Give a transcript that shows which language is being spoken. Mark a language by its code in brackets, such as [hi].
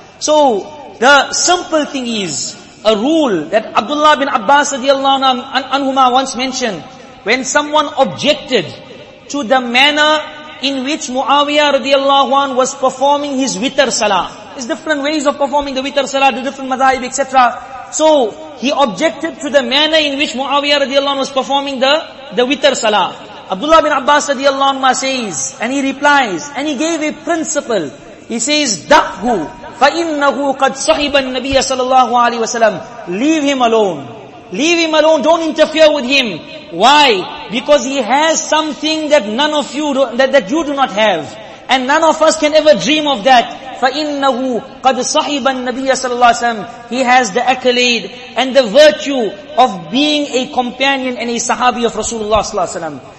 [en] So, the simple thing is, a rule that Abdullah bin Abbas radiallahu anhumah once mentioned, when someone objected to the manner in which Muawiyah radiallahu anh was performing his witr salah. There's different ways of performing the witr salah, the different madhaib, etc. So, he objected to the manner in which Muawiyah radiallahu anh was performing the witr salah. Abdullah bin Abbas radiallahu anh says, and he replies, and he gave a principle. He says, [ar] دَعْهُ فَإِنَّهُ قَدْ صَحِبَ النَّبِيَّ صَلَى اللَّهُ عَلَيْهِ وَسَلَمْ. [en] Leave him alone. Leave him alone, don't interfere with him. Why? Because he has something that none of you do, that you do not have. And none of us can ever dream of that. [ar] فَإِنَّهُ قَدْ صَحِبَ النَّبِيَّ صَلَى اللَّهُ عَلَيْهِ وَسَلَمْ. [en] He has the accolade and the virtue of being a companion and a sahabi of Rasulullah sallallahu alayhi wa sallam.